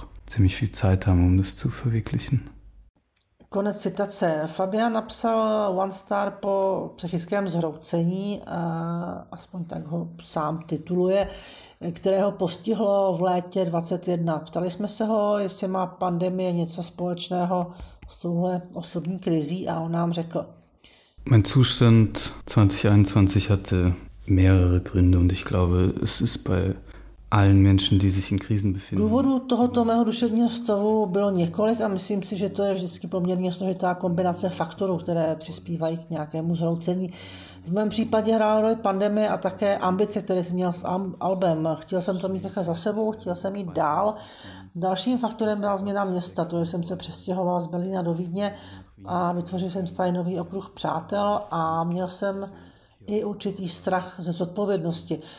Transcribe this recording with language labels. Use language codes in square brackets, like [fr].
[de] Ziemlich viel Zeit haben, um das zu verwirklichen. [cs] Konec citace. Fabian napsal One Star po psychickém zhroucení, aspoň tak ho sám tituluje, které ho postihlo v létě 21. Ptali jsme se ho, jestli má pandemie něco společného s touhle osobní krizí a on nám řekl. [de] Mein Zustand 2021 hatte mehrere Gründe und ich glaube, es ist bei allen Menschen, die sich in Krisen befinden. [cs] Důvodu tohoto mého duševního stavu bylo několik a myslím si, že to je vždycky poměrně složitá kombinace faktorů, které přispívají k nějakému zhroucení. V mém případě hrála roli pandemie a také ambice, které jsem měl s albem. Chtěl jsem to mít také za sebou, chtěl jsem jít dál. Dalším faktorem byla změna města, to, že jsem se přestěhoval z Berlína do Vídně a vytvořil jsem stále nový okruh přátel a měl jsem i určitý strach ze zodpovědnosti.